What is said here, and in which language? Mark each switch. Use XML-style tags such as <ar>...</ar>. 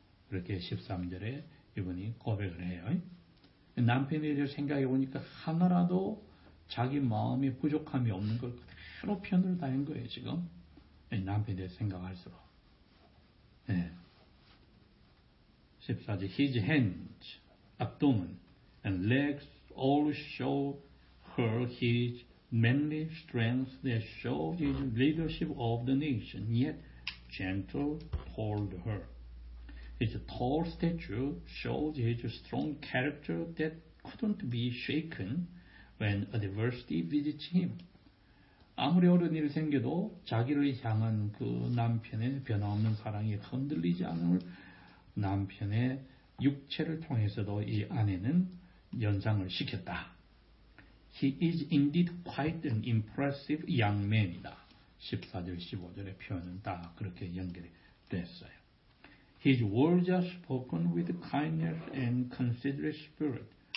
<ko>이렇게 13절에 이분이 고백을 해요. 남편에 대해 생각해 보니까 하나라도 자기 마음에 부족함이 없는 걸 그대로 표현을 다한 거예요, 지금. 남편에 대해 생각할수록. 네.</ko> <en>14절, his hands, abdomen, and legs all show his manly strength that showed his leadership of the nation, yet gentle toward her. His tall stature showed his strong character that couldn't be shaken when adversity visits him.</en> <ko>아무리 어려운 일이 생겨도 자기를 향한 그 남편의 변함없는 사랑이 흔들리지 않을 남편의 육체를 통해서도 이 아내는 연상을 시켰다.</ko> <en>He is indeed quite an impressive young man이다.</en> <ko>14절, 15절의 표현은 다 그렇게 연결됐어요.</ko> <en>His words are spoken with kindness and considerate spirit.</en>